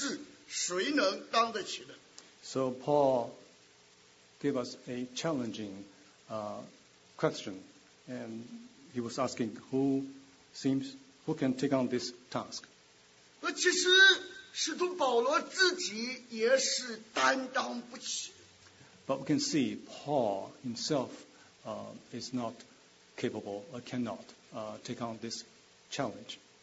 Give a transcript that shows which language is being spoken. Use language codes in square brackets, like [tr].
[zh] 所以使徒保罗在此中间就有一个是反问性质的、挑战性质的、追问性质的，就这事谁能当得起的？ [en] So Paul gave us a challenging question, and he was asking who can take on this task. [zh] 其实使徒保罗自己也是担当不起。 [en] But we can see Paul himself is not capable or cannot take on this challenge.